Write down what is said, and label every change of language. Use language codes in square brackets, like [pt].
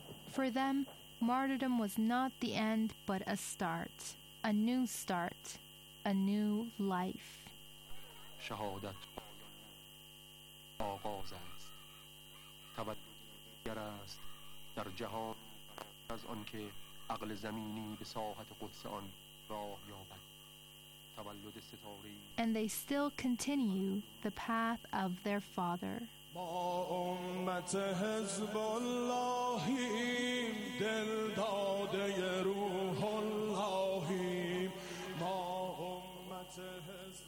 [en] For them, martyrdom was not the end, but a start, a new start, a new life. [fa] شهادت آغاز است. تبدیل است در جهان از آن که عقل زمینی به ساحت قدس آن راه یابد. تولد ستاری. [en] And they still continue the path of their father. [fa] با امت حزب اللهیم دل داده روح اللهیم با امت حزب